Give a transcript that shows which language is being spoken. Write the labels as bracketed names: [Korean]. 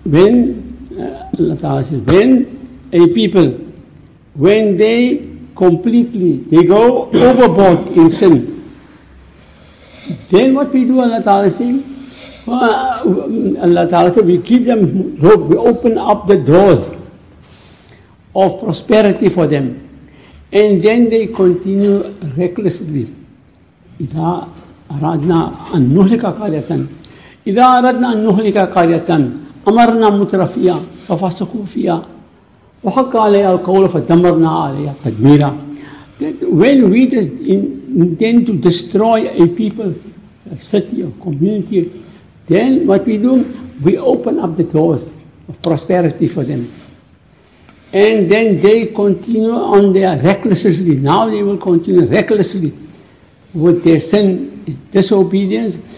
[English] When a people, when they completely, they go overboard in sin, then what we do, Allah Ta'ala says, Allah Ta'ala says, we give them hope, we open up the doors of prosperity for them, and then they continue recklessly. [Arabic] Ida aradna an nuhlika qaryatan. إذا أردنا أن نهلك قرية أمرنا مترفيها ففسقوا فيها وحق عليها القول فدمرنا عليها تدميرا. [English] When we intend to destroy a people, a city, a community, then what we do, we open up the doors of prosperity for them. And then they continue on their recklessly. Now they will continue recklessly with their sin, disobedience.